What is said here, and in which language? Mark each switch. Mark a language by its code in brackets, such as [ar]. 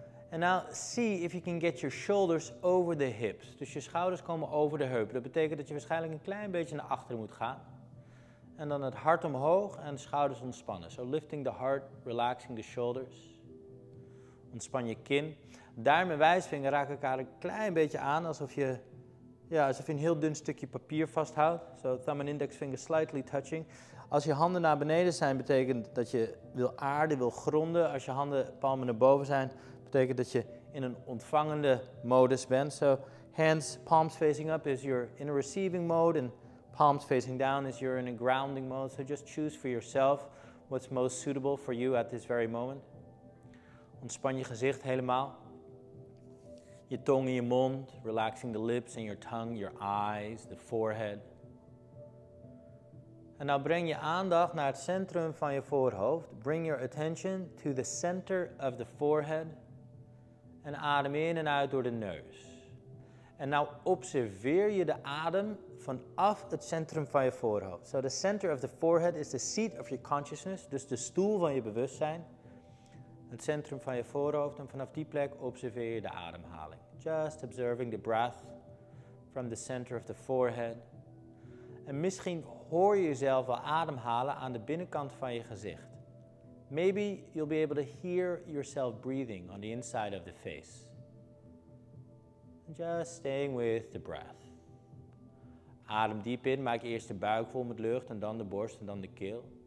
[en] And now see if you can get your shoulders over the hips. [nl] Dus je schouders komen over de heupen. Dat betekent dat je waarschijnlijk een klein beetje naar achteren moet gaan. En dan het hart omhoog en schouders ontspannen. [en] So lifting the heart, relaxing the shoulders. [nl] Ontspan je kin. Duim en wijsvinger raken elkaar een klein beetje aan. Alsof je een heel dun stukje papier vasthoudt. [en] So thumb and index finger slightly touching. [nl] Als je handen naar beneden zijn, betekent dat je wil aarden, wil gronden. Als je handen palmen naar boven zijn, betekent dat je in een ontvangende modus bent. [en] So hands, palms facing up is you're in a receiving mode and palms facing down is you're in a grounding mode. So just choose for yourself what's most suitable for you at this very moment. [nl] Ontspan je gezicht helemaal. Je tong in je mond, [en] relaxing the lips and your tongue, your eyes, the forehead. [nl] En nou breng je aandacht naar het centrum van je voorhoofd. [en] Bring your attention to the center of the forehead. [nl] En adem in en uit door de neus. En nou observeer je de adem vanaf het centrum van je voorhoofd. [en] So the center of the forehead is the seat of your consciousness. [nl] Dus de stoel van je bewustzijn. Het centrum van je voorhoofd. En vanaf die plek observeer je de ademhaling. [en] Just observing the breath from the center of the forehead. [nl] En misschien hoor je jezelf wel ademhalen aan de binnenkant van je gezicht. [en] Maybe you'll be able to hear yourself breathing on the inside of the face. Just staying with the breath. [nl] Adem diep in, maak eerst de buik vol met lucht en dan de borst en dan de keel.